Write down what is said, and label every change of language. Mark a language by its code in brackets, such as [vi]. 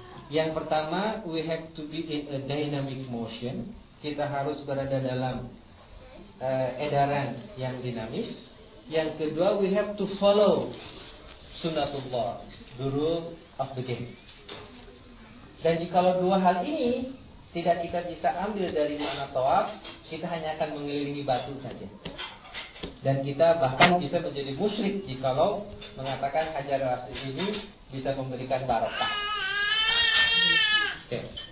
[id] Yang pertama, [en] we have to be in a dynamic motion. [id] Kita harus berada dalam edaran yang dinamis. Yang kedua, [en] we have to follow sunnatullah, the rule of the game. [id] Dan jikalau 2 hal ini tidak kita bisa ambil dari mana tawaf, kita hanya akan mengelilingi batu saja. Dan kita bahkan bisa menjadi musyrik jikalau mengatakan Hajar Aswad ini bisa memberikan barokah. Okay.